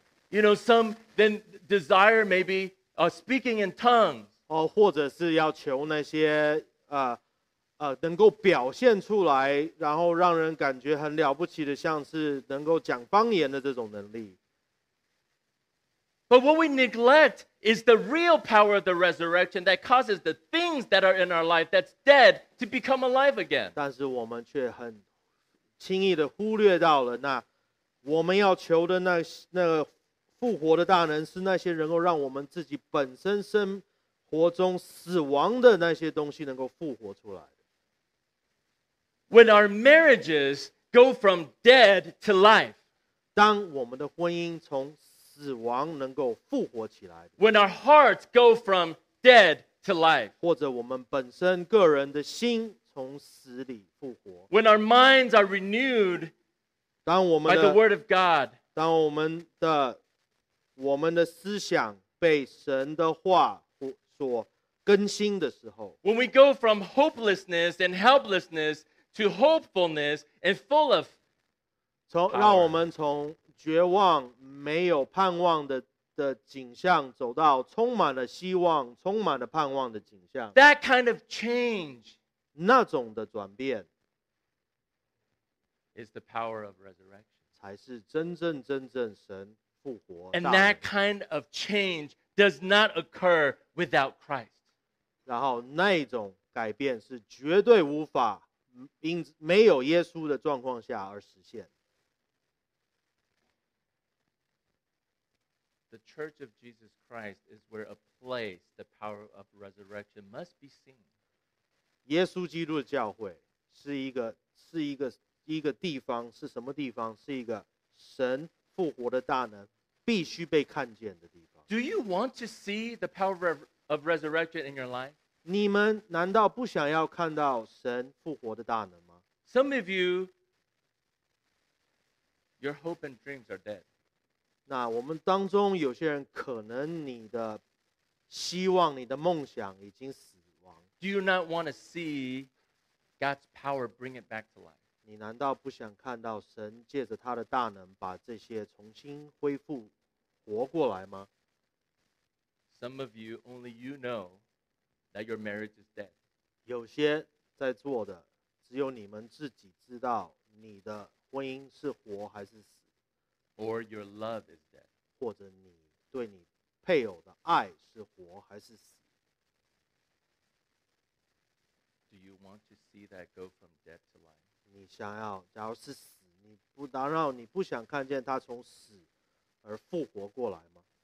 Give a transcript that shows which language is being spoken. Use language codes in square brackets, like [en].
[en] You know, some then desire maybe,speaking in tongues. [zh] 或者是要求那些能够表现出来，然后让人感觉很了不起的，像是能够讲方言的这种能力。 [en] But what we neglect is the real power of the resurrection that causes the things that are in our life that's dead to become alive again. [zh] 但是我们却很轻易的忽略到了那我们要求的那个复活的大能，是那些能够让我们自己本身生活中死亡的那些东西能够复活出来的。 [en] When our marriages go from dead to life, [zh] 当我们的婚姻从死亡能够复活起来的。 [en] When our hearts go from dead to life, [zh] 或者我们本身个人的心从死里复活。 [en] When our minds are renewed, [zh] 当我们的 [en] by the word of God, [zh] 当我们的我们的思想被神的话所更新的时候， [en] When we go from hopelessness and helplessness to hopefulness and full of power, [zh] 让我们从绝望没有盼望 的景象走到充满了希望充满了盼望的景象， [en] That kind of change, [zh] 那种的转变 [en] is the power of resurrection, [zh] 才是真正神 [en] And that kind of change does not occur without Christ. [zh] 然后那种改变是绝对无法因没有耶稣的状况下而实现。 [en] The Church of Jesus Christ is where a place the power of resurrection must be seen. [zh] 耶稣基督的教会是一个地方，是什么地方？是一个神复活的大能。必须被看见的地方。 [en] Do you want to see the power of resurrection in your life? [zh] 你们难道不想要看到神复活的大能吗？ [en] Some of you, your hope and dreams are dead. [zh] 那我们当中有些人可能你的希望、你的梦想已经死亡。 [en] Do you not want to see God's power bring it back to life? [zh] 你难道不想看到神借着他的大能把这些重新恢复活过来吗？ [en] Some of you, only you know that your marriage is dead. [zh] 有些在座的只有你们自己知道你的婚姻是活还是死。 [en] Or your love is dead. [zh] 或者你对你配偶的爱是活还是死。 [en] Do you want to see that go from dead to life? [zh] 你想要，假如是死，你不打扰，你不想看见他从死而复活过来吗